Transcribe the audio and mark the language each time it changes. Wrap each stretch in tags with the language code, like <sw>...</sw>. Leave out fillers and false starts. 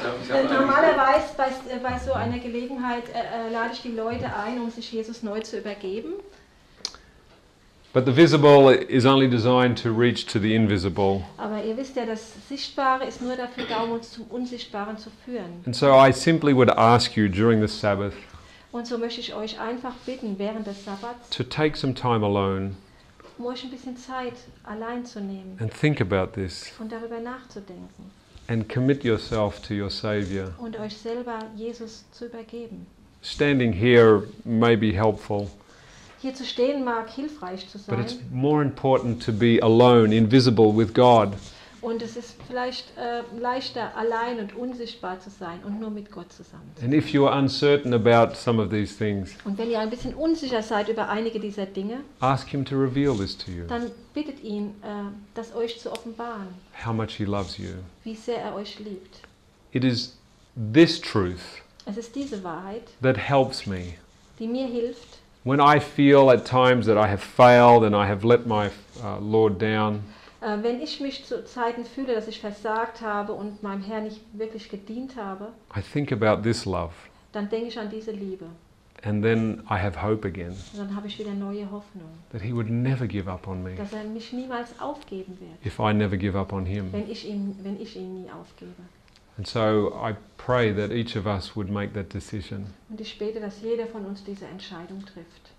<de>Normalerweise bei so einer Gelegenheit lade ich die Leute ein, um sich Jesus neu zu übergeben.</de> <en>But the visible is only designed to reach to the invisible.</en> <de>Aber ihr wisst ja, das Sichtbare ist nur dafür da, um uns zum Unsichtbaren zu führen.</de> <en>And so I simply would ask you during the Sabbath.</en> <de>Und so möchte ich euch einfach bitten während des Sabbats.</de> <en>To take some time alone.</en> <de>Um euch ein bisschen Zeit allein zu nehmen.</de> <en>And think about this.</en> <de>Und darüber nachzudenken.</de> <en>And commit yourself to your Savior.</en> <de>Und euch selber Jesus zu übergeben.</de> <en>Standing here may be helpful.</en> <de>Hier zu stehen mag hilfreich zu sein.</de> <en>But it's more important to be alone, invisible with God.</en> <de>Und es ist vielleicht leichter allein und unsichtbar zu sein und nur mit Gott zusammen.</de> <en>And if you are uncertain about some of these things.</en> <de>Und wenn ihr ein bisschen unsicher seid über einige dieser Dinge.</de> <en>Ask him to reveal this to you.</en> <de>Dann bittet ihn, das euch zu offenbaren.</de> <en>How much he loves you.</en> <de>Wie sehr er euch liebt.</de> <en>It is this truth.</en> <de>Es ist diese Wahrheit.</de> <en>That helps me.</en> <de>Die mir hilft.</de> <en>When I feel at times that I have failed and I have let my Lord down.</en> <de>Wenn ich mich zu Zeiten fühle, dass ich versagt habe und meinem Herrn nicht wirklich gedient habe.</de> <en>I think about this love.</en> <de>Dann denke ich an diese Liebe.</de> <en>And then I have hope again.</en> <de>Und dann habe ich wieder neue Hoffnung.</de> <en>That he would never give up on me.</en> <de>Dass er mich niemals aufgeben wird.</de> <en>If I never give up on him.</en> <de>Wenn ich ihn nie aufgebe.</de> <en>And so I pray that each of us would make that decision.</en> <de>Und ich bete, dass jeder von uns diese Entscheidung trifft.</de>